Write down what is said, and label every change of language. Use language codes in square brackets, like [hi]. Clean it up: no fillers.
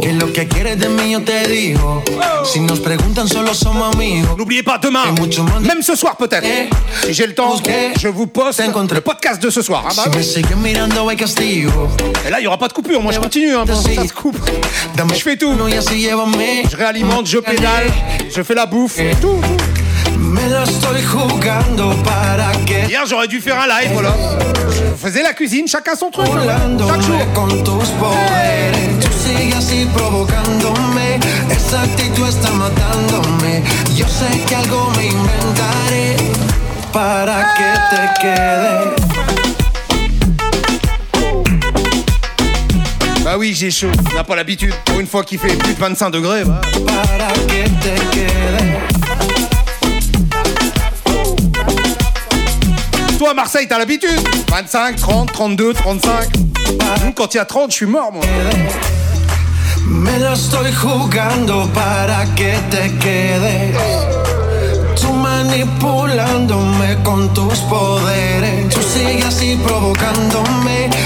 [es] Que lo que quieres de mí yo te digo. Si nos preguntan solo somos amigos. [fr] N'oubliez pas demain, même ce soir peut-être. Si j'ai le temps, je vous poste le podcast de ce soir. [es] Si me sigues mirando hay castigo. [fr] Et là il y aura pas de coupure, moi je continue hein, ça se coupe. Je fais tout. Je réalimente, je pédale, je fais la bouffe, tout. [es] Me la estoy jugando para que. [fr] Hier j'aurais dû faire un live, voilà. Je faisais la cuisine, chacun son truc. Chaque jour. [es] Con tus poderes, tú sigues así provocándome. Esa actitud está matándome. Yo sé que algo me inventaré para que te quede. [fr] Bah oui, j'ai chaud. On n'a pas l'habitude. Pour une fois qu'il fait plus de 25 degrés, bah. [es] Para que te quede. [fr] Toi, Marseille, t'as l'habitude. 25, 30, 32, 35. Nous, quand il y a 30, je suis mort, moi. [es] Me lo estoy jugando para que te quedes. Tú manipulándome con tus poderes. Tú sigues así provocándome.